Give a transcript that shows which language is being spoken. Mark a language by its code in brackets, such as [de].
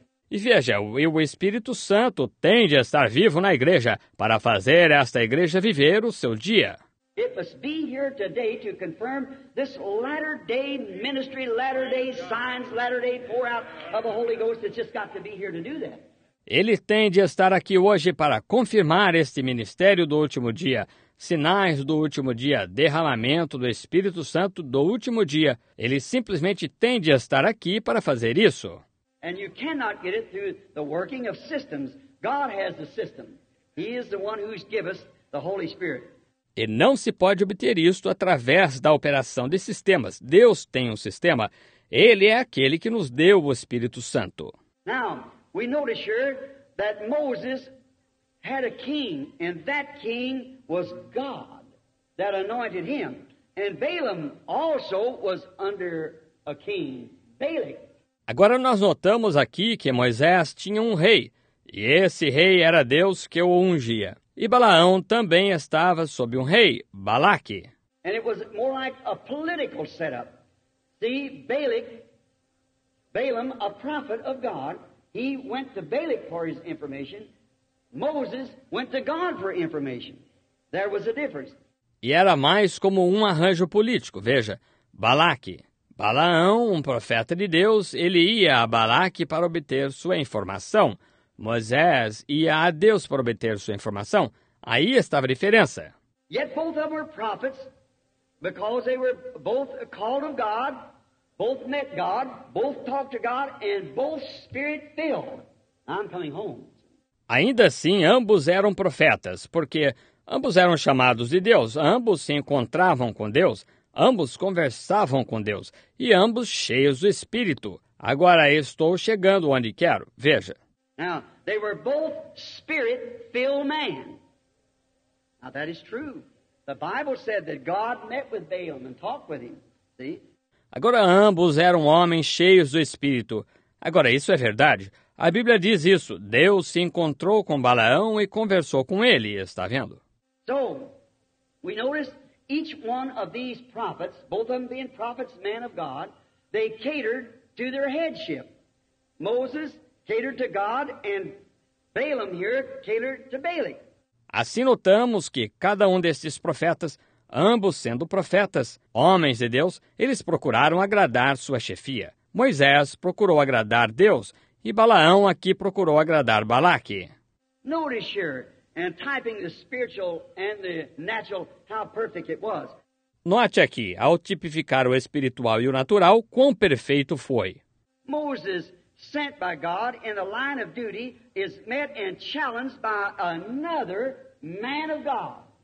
[pt] E veja, o Espírito Santo tem de estar vivo na igreja para fazer esta igreja viver o seu dia. [en] It must be here today to confirm this latter-day ministry, latter-day signs, latter-day pour out of the Holy Ghost. It's just got to be here to do that. [pt] Ele tem de estar aqui hoje para confirmar este ministério do último dia, sinais do último dia, derramamento do Espírito Santo do último dia. Ele simplesmente tem de estar aqui para fazer isso. [en] And you cannot get it through the working of systems. God has the system. He is the one who's given us the Holy Spirit. [pt] E não se pode obter isto através da operação de sistemas. Deus tem um sistema. Ele é aquele que nos deu o Espírito Santo. [en] Now, we notice here that Moses had a king, and that king was God that anointed him. And Balaam also was under a king, Balak. [pt] Agora nós notamos aqui que Moisés tinha um rei, e esse rei era Deus que o ungia. E Balaão também estava sob um rei, Balaque. [en] And it was more like a political setup. See, Balaam, a prophet of God, he went to Balak for his information. Moses went to God for information. There was a difference. [pt] E era mais como um arranjo político. Veja, Balaque. Balaão, um profeta de Deus, ele ia a Balaque para obter sua informação. Moisés ia a Deus para obter sua informação. Aí estava a diferença. [en] Yet both of them were prophets, because they were both called of God, both met God, both talked to God, and both spirit-filled. I'm coming home. [pt] Ainda assim, ambos eram profetas, porque ambos eram chamados de Deus, ambos se encontravam com Deus, ambos conversavam com Deus, e ambos cheios do Espírito. Agora estou chegando onde quero. Veja. [en] Now, they were both spirit-filled men. Now, that is true. The Bible said that God met with Balaam and talked with him. See? [pt] Agora, ambos eram homens cheios do Espírito. Agora, isso é verdade. A Bíblia diz isso. Deus se encontrou com Balaão e conversou com ele. Está vendo? [en] So, we notice each one of these prophets, both of them being prophets, men of God, they catered to their headship. Moses catered to God, and Balaam here catered to Balak. [pt] Assim notamos que cada um destes profetas, ambos sendo profetas, homens de Deus, eles procuraram agradar sua chefia. Moisés procurou agradar Deus, e Balaão aqui procurou agradar Balaque. [en] Notice here, and typing the spiritual and the natural, how perfect it was. [pt] Note aqui, ao tipificar o espiritual e o natural, quão perfeito foi. [en] Moses, sent by God in the line of duty, is met and challenged by another man of God.